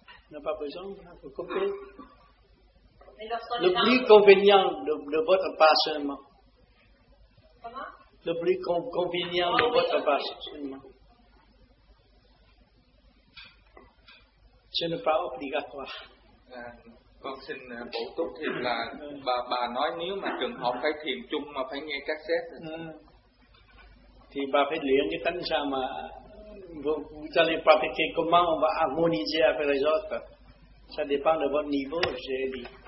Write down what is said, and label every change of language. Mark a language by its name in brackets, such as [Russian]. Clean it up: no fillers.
[French] On n'a pas besoin, on va couper. Le plus convenient de votre part seulement. Comment? Le plus convenient de votre base, absolument. Ce n'est pas obligatoire. [Vietnamese] Con xin bổ túc thêm là bà nói nếu mà trường hợp phải thiền chung mà phải nghe cassette thì bà phải luyện cái tánh sao mà [French] vous allez pratiquer comment on va harmoniser avec les autres. Ça dépend de votre niveau, j'ai dit.